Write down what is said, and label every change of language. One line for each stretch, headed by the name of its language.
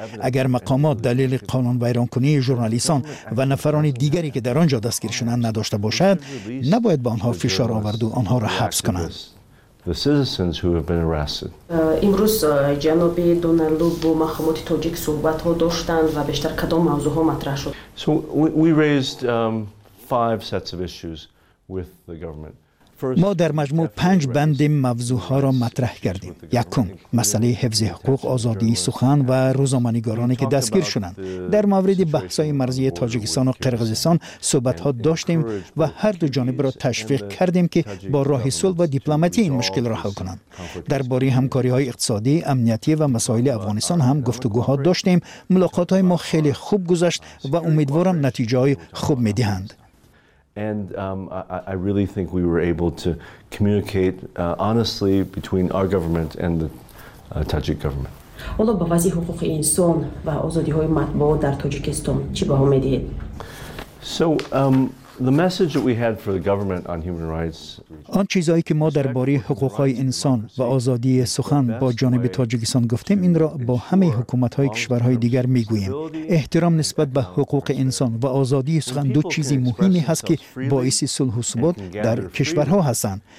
Persian: اگر مقامات دلیل قانون ویران کنی ژورنالیستان و نفران دیگری که در آنجا دستگیر شدند نداشته باشد، نباید به آنها فشار آورد و آنها را حبس کنند.
English: The citizens who have been arrested.
Persian: امروز جناب دونالدو با مخامات تاجیک صحبت ها داشتند و بیشتر کدام موضوع ها مطرح شد؟
English: So we raised five sets of issues with the government.
Persian: ما در مجموع پنج بند موضوع ها را مطرح کردیم. یکم، مسئله حفظ حقوق آزادی سخن و روزنامه‌نگارانی که دستگیر شدند. در مورد بحث های مرزی تاجیکستان و قرغیزستان صحبت ها داشتیم و هر دو جانب را تشویق کردیم که با راه صلح و دیپلماتی این مشکل را حل کنند. درباره همکاری های اقتصادی، امنیتی و مسائل افغانستان هم گفتگوها داشتیم. ملاقات های ما خیلی خوب گذشت و امیدوارم نتیجه های خوب می دهند.
English: And I really think we were able to communicate honestly between our government and the Tajik government.
Tajik: Olo ba vazi huquq inson va azadi-hoye matbuot dar Tojikiston chi baho medihed?
English: The message that we had for the government on human rights.
Persian: آن چیزایی که ما درباره حقوق های انسان و آزادی سخن با جانب تاجیکستان گفتیم این را با همه حکومت های کشورهای دیگر می گوییم. احترام نسبت به حقوق انسان و آزادی سخن دو چیزی مهمی هست که باعث صلح و ثبات در کشورها هستند.